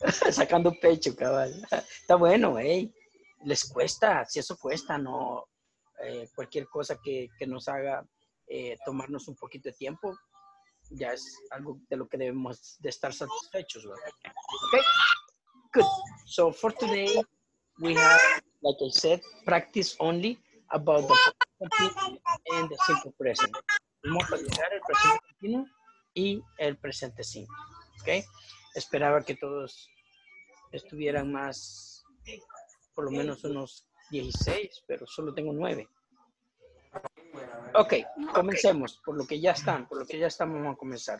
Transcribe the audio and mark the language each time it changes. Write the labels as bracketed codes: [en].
[es] Sacando pecho, cabal. Está bueno, ¿eh? Les cuesta, si eso cuesta, ¿no? Cualquier cosa que nos haga tomarnos un poquito de tiempo, ya es algo de lo que debemos de estar satisfechos, ¿verdad? [en] Okay. Good. So for today, we have, like I said, practice only about the simple and the simple present. [es] Vamos a realizar el presente continuo y el presente simple. Okay. Esperaba que todos estuvieran más, por lo menos unos 16, pero solo tengo 9. Ok, comencemos, por lo que ya están, vamos a comenzar.